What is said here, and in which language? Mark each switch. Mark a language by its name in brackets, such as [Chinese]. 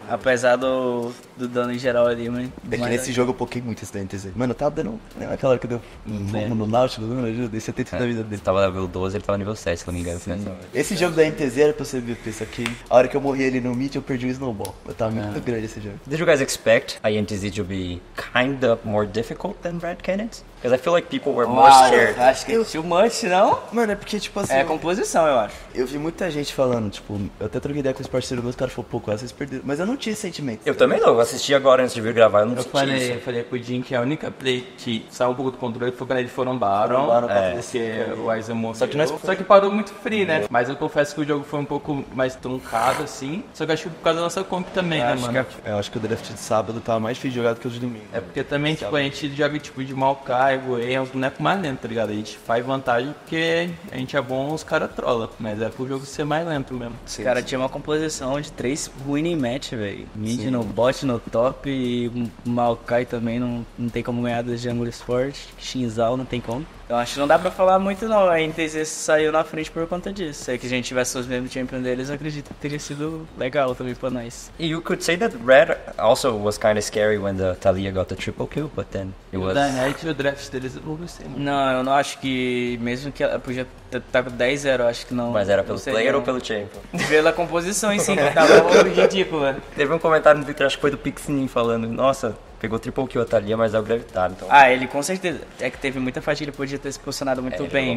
[Portuguese] Apesar do dano em geral ali, mano. É que nesse jogo eu pokei muito esse da NTZ. Mano, tava dando. Naquela hora que eu dei no Nautilus, mano, eu dei 70 da vida dele. Tava level 12, ele tava nível 7, se não me engano. Esse jogo da NTZ era pra você ver, pensa que a hora que eu morri ali no Meet, eu perdi o Snowball. Eu tava muito grande esse jogo. [English] Did you guys expect a NTZ to be kind of more difficult than Red Cannons? Because I feel like people were more scared. [Portuguese] Acho que too much, não? Mano, é porque, tipo assim... É a composição, eu acho. Eu vi muita gente falando, tipo... Eu até troquei ideia com os parceiros meus, o cara falou, pô, quase vocês perderam. Mas eu não tinha esse sentimento. Eu também não. Eu assisti agora antes de vir gravar, eu não senti falei, isso. Eu falei pro Jim que a única play que saiu um pouco do controle foi quando eles foram Baron. Porque o Aizen morreu. Só que, nós... só que parou muito free, né? Mas eu confesso que o jogo foi um pouco mais truncado, assim. Só que acho que por causa da nossa comp também, eu né, acho mano? Que é... Eu acho que o draft de sábado tava mais difícil de jogar do que o de domingo. É porque também, né? Tipo, a gente joga tipo de Maokai. É um boneco mais lento, tá ligado? A gente faz vantagem porque a gente é bom, os caras trolam. Mas é pro jogo ser mais lento mesmo. Os caras tinham uma composição de 3 winning match, velho. Mid no bot, no top, e Maokai também não tem como ganhar das jungle forte. Xinzhao não tem como. Então acho que não dá pra falar muito não, a NTZ saiu na frente por conta disso. Se é que a gente tivesse os mesmos champions deles, eu acredito que teria sido legal também pra nós. [English] You could say that Red also was kind of scary when the Thalia got a triple kill, but then [Portuguese] it was... O draft deles, eu gostei. Não, eu não acho que, mesmo que ela podia estar com 10-0, eu acho que não. Mas era pelo player não. Ou pelo champion? Pela composição, e sim, tava ridícula. Teve um comentário no Twitter, acho que foi do Pixinin, falando, nossa, pegou triple kill a Thalia, mas é o gravitar, então... Ah, ele com certeza, é que teve muita fatia, ele podia ter se posicionado muito bem.